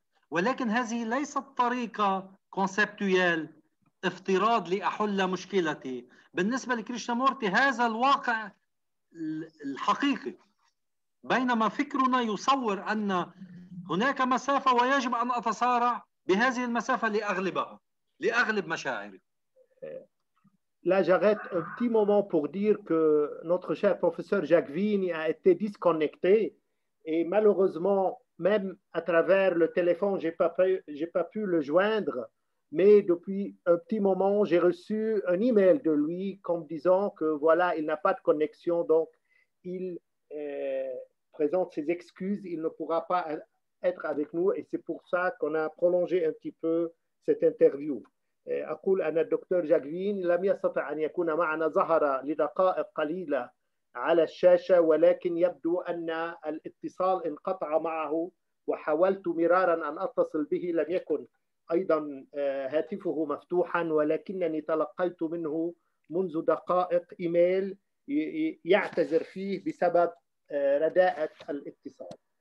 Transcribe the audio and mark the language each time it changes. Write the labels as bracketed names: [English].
[Arabic] ولكن هذه ليست طريقة conceptual، افتراض لأحل مشكلتي. بالنسبة لكريشنامورتي هذا الواقع الحقيقي، بينما فكرنا يصور أن هناك مسافة ويجب أن أتصارع بهذه المسافة لأغلبها، لأغلب مشاعري. [French] Là, j'arrête un petit moment pour dire que notre cher professeur Jacques Vigne a été disconnecté et malheureusement, même à travers le téléphone, j'ai pas pu le joindre. Mais depuis un petit moment, j'ai reçu un email de lui comme disant que voilà, il n'a pas de connexion, donc il présente ses excuses, il ne pourra pas être avec nous et c'est pour ça qu'on a prolongé un petit peu cette interview. [Arabic] أقول أن الدكتور جاكفين لم يستطع أن يكون معنا، ظهر لدقائق قليلة على الشاشة، ولكن يبدو أن الاتصال انقطع معه، وحاولت مرارا أن أتصل به، لم يكن أيضا هاتفه مفتوحا، ولكنني تلقيت منه منذ دقائق إيميل يعتذر فيه بسبب رداءة الاتصال.